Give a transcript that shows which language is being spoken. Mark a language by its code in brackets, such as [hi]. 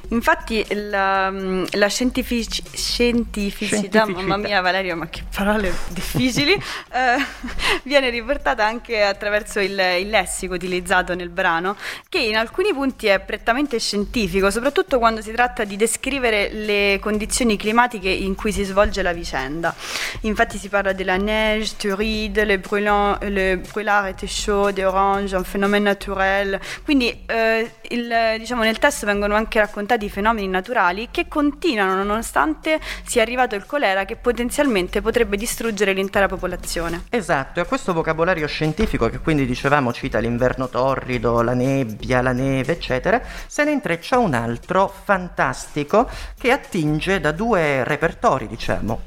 [it] Infatti la scientificità, mamma mia Valeria, ma che parole difficili, viene riportata anche attraverso il lessico utilizzato nel brano, che in alcuni punti è prettamente scientifico, soprattutto quando si tratta di descrivere le condizioni climatiche in cui si svolge la vicenda. Infatti si parla della [fr] neige torride, le brûlard était chaud, d'orange, un phénomène naturel. [it] Quindi nel testo vengono anche raccontati fenomeni naturali che continuano nonostante sia arrivato il colera, che potenzialmente potrebbe distruggere l'intera popolazione. Esatto, e a questo vocabolario scientifico, che quindi dicevamo cita l'inverno torrido, la nebbia, la neve, eccetera, se ne intreccia un altro fantastico che attinge da due repertori, diciamo.